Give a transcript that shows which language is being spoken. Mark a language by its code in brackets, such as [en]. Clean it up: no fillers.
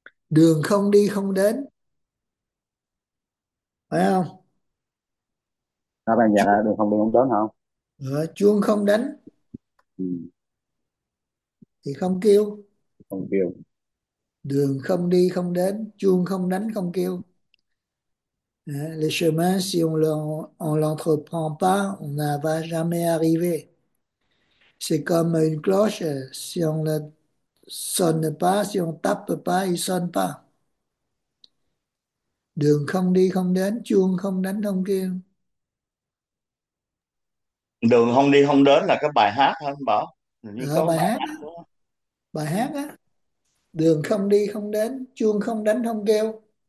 [vi] Đường không đi không đến, phải không? Các bạn dạ đường không đi không đến không? Chuông không đánh thì không kêu, Không kêu. đường không đi không đến, chuông không đánh không kêu. [fr] Le chemin, si on l'entreprend pas, on n'en va jamais arriver. C'est comme une cloche, si on ne sonne pas, si on tape pas, il sonne pas. [vi] Đường không đi không đến, chuông không đánh không kêu. Đường không đi không đến là cái bài hát hả anh Bảo? Hình như có Bài hát hát á, đó. bài hát á, đường không đi không đến, chuông không đánh không kêu.